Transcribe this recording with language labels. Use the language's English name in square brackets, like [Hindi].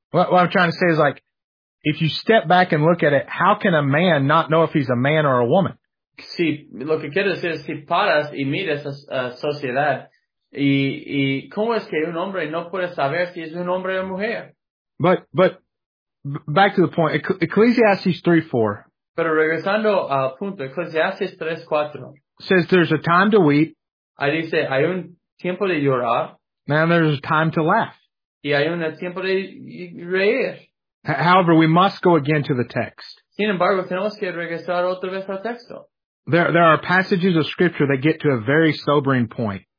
[English] What I'm trying to say is like, if you step back and look at it, how can a man not know if he's a man or a woman? [Spanish] Si, lo que quiero decir es, si paras y miras a sociedad, ¿y cómo es que un hombre no puede saber si es un hombre o mujer? [English] But back to the point, Ecclesiastes 3:4. [Spanish] Pero regresando al punto, Ecclesiastes 3:4. [English] Says there's a time to weep. [Spanish] Ahí dice, hay un tiempo de llorar. [English] And there's a time to laugh. [Spanish] Y hay un tiempo de reír. [English] However, we must go again to the text. [Spanish] Sin embargo, tenemos que regresar otra vez al texto. [English] There are passages of scripture that get to a very sobering point.